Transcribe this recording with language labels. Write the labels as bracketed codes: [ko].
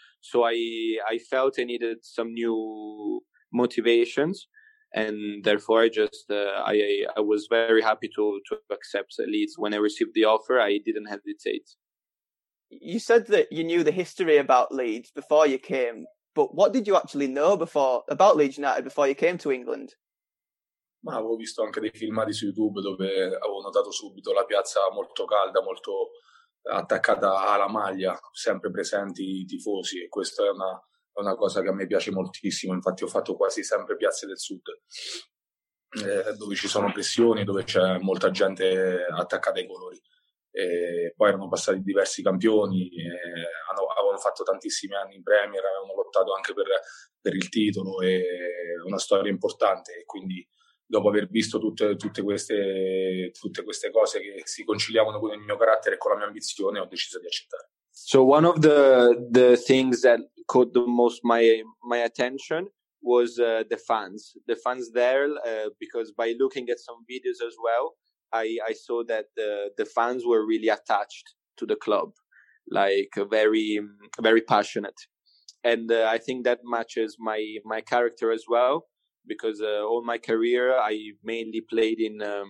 [en] So I felt I needed some new motivations, and therefore I was very happy to accept Leeds. When I received the offer, I didn't hesitate. You said that you knew the history about Leeds before you came, but what did you actually know before about Leeds United before you came to England? [it] Ma avevo visto anche dei filmati su YouTube dove avevo notato subito la piazza molto calda, molto attaccata alla maglia, sempre presenti i tifosi, e questa è una cosa che a me piace moltissimo. Infatti ho fatto quasi sempre Piazze del Sud, dove ci sono pressioni, dove c'è molta gente attaccata ai colori. E poi erano passati diversi campioni, avevano fatto tantissimi anni in Premier, avevano lottato anche per il titolo, e una storia importante. E quindi, dopo aver visto tutte queste cose che si conciliavano con il mio carattere e con la mia ambizione, ho deciso di accettare. [en] So one of the things that caught the most my attention was the fans there, because by looking at some videos as well, I saw that the fans were really attached to the club, like very very passionate, and I think that matches my character as well, because all my career I mainly played in